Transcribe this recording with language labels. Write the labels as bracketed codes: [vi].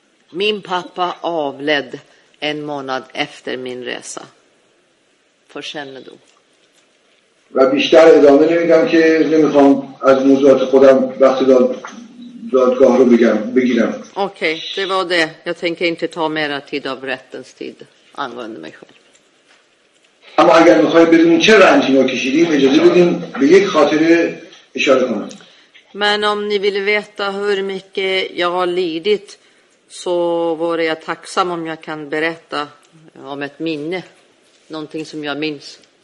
[sv] Min pappa avled en månad efter min resa. För kännedom. [fa] و بیشتر ادامه نمیدم که نمیخوام از موضوعات خودم وقت دادگاه رو بگیرم. [sv] اوکی، det var det. Jag tänker inte ta mer tid av rättens tid angående mig själv. [fa] اما اگر میخوای بدونی چه رنجی ما کشیدیم اجازه بدیم به یک خاطره اشاره کنم. [sv] Men om ni vill veta hur mycket jag har lidit så vore jag tacksam om jag kan berätta om ett minne, någonting som jag minns.